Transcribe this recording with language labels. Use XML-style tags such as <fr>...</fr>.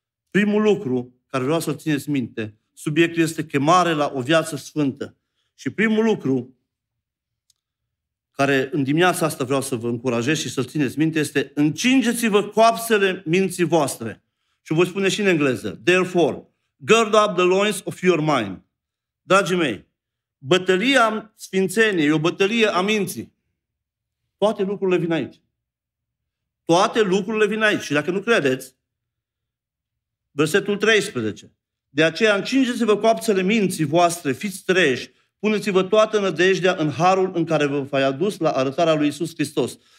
<ro>Primul lucru care vreau să-l țineți minte, subiectul este chemare la o viață sfântă. Și primul lucru care în dimineața asta vreau să vă încurajez și să-l țineți minte este: încingeți-vă coapsele minții voastre. Și voi spune și în engleză.</ro> <en>Therefore, gird up the loins of your mind.</en> <ro>Dragii mei, bătălia sfințeniei e o bătălie a minții. Toate lucrurile vin aici. Toate lucrurile vin aici. Și dacă nu credeți, versetul 13. De aceea, încingeți-vă coapțele minții voastre, fiți treji, puneți-vă toată nădejdea în harul în care vă va fi adus la arătarea lui Iisus Hristos.</ro>